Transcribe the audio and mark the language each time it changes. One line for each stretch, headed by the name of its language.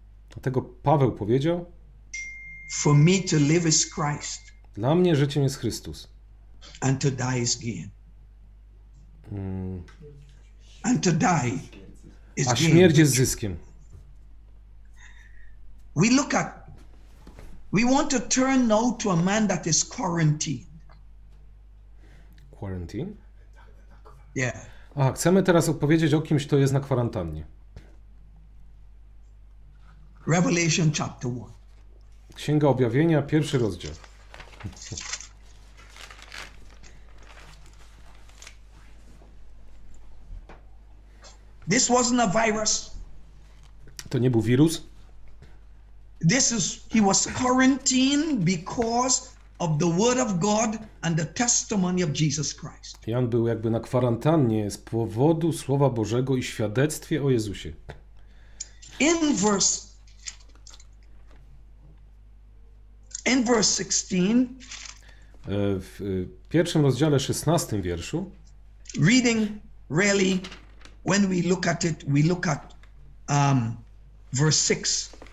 Polish: Dlatego Paweł powiedział.
English: For me to live is Christ.
Polish: Dla mnie życiem jest Chrystus.
English: And to die is gain. And to die is gain.
Polish: A śmierć jest zyskiem.
English: We look at. We want to turn now to a man that is quarantined. Quarantine? Yeah.
Polish: A chcemy teraz opowiedzieć o kimś, kto jest na kwarantannie.
English: Revelation chapter 1.
Polish: Księga Objawienia, pierwszy rozdział.
English: This wasn't a virus.
Polish: To nie był wirus.
English: This is he was quarantined because of the word of God and the testimony of Jesus Christ.
Polish: Jan był jakby na kwarantannie z powodu słowa Bożego i świadectwie o Jezusie.
English: In verse 16.
Polish: W pierwszym rozdziale 16 wierszu.
English: Reading really when we look at it, we look at verse 6,